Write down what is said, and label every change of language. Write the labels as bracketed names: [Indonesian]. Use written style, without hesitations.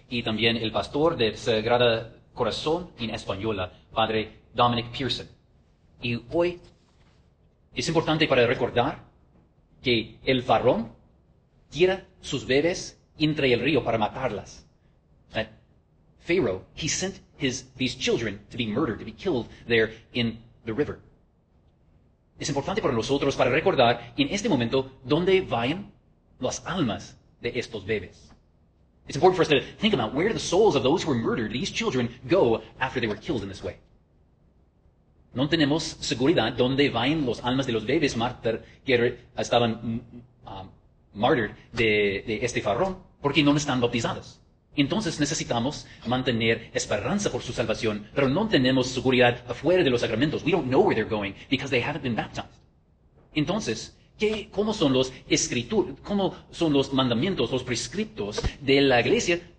[Spanish] Y también el pastor del Sagrado Corazón in Espanola, Padre Dominic Pearson. Y hoy es importante para recordar que el farrón tira sus bebés entre el río para matarlas. [English] Pharaoh, he sent these children to be murdered, to be killed there in the river. [Spanish] Es importante para nosotros para recordar en este momento dónde van las almas de estos bebés. [English] It's important for us to think about where the souls of those who were murdered, these children, go after they were killed in this way. [Spanish] No tenemos seguridad dónde van las almas de los bebés que estaban martyred de este farrón, porque no están bautizados. Entonces necesitamos mantener esperanza por su salvación, pero no tenemos seguridad afuera de los sacramentos. [English] We don't know where they're going because they haven't been baptized. [Spanish] Entonces, cómo son los mandamientos, los prescriptos de la iglesia?